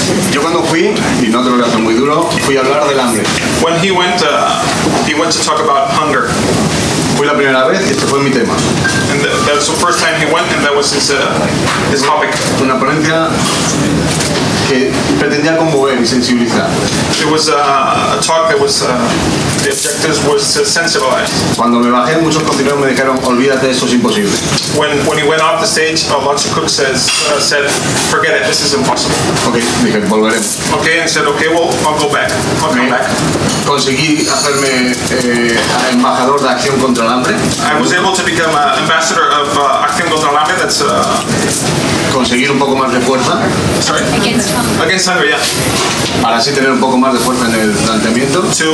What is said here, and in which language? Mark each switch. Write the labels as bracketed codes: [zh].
[es] Yo cuando fui, y no te lo voy a hacer muy duro, fui a hablar del hambre. [en] When he went to talk about hunger. [es] Fue la primera vez y este fue mi tema. [en] And that was the first time he went and that was his topic. [es] Una ponencia que pretendía conmover y sensibilizar. [en] It was a talk that was the objective was to sensibilize. [es] Cuando me bajé, muchos cocineros me dijeron, olvídate, eso es imposible. [en] When he went off the stage, a bunch of cooks said, forget it, this is impossible. [es] Okay, dije, volveremos. [en] Okay, and said, okay, well, I'll go back. I'll come back. [es] Conseguí hacerme embajador de Acción contra el Hambre. [en] I was able to become an ambassador of Acción contra el Hambre. That's [es] conseguir un poco más de fuerza. [en] Sorry. Against hunger, yeah. [es] Para así tener un poco más de fuerza en el planteamiento.